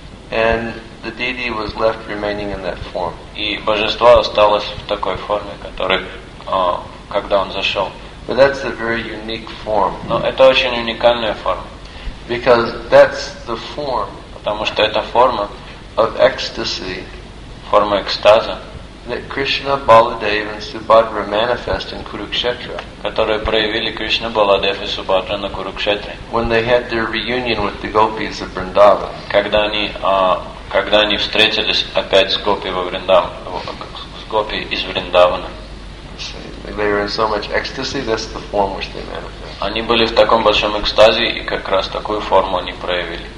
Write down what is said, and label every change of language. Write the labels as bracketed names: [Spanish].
[English] and the deity was left remaining in that form. [Russian] И божество осталось в такой форме, которой, когда он зашел. [English] But that's a very unique form. [Russian] Но это очень уникальная форма. [English] Because that's the form. [Russian] Потому что это форма [English] of ecstasy. [Russian] Форма экстаза. [English] That Krishna, Baladev, and Subhadra manifest in Kurukshetra. [Russian] Которые проявили Кришна, Баладев и Субхадра на Курукшетре. [English] When they had their reunion with the gopis of Vrindavan. [Russian] Когда они встретились опять с гопи во Вриндаван, с гопи из Вриндавана. [English] They were in so much ecstasy. That's the form which they manifest. [Russian] Они были в таком большом экстазе и как раз такую форму они проявили.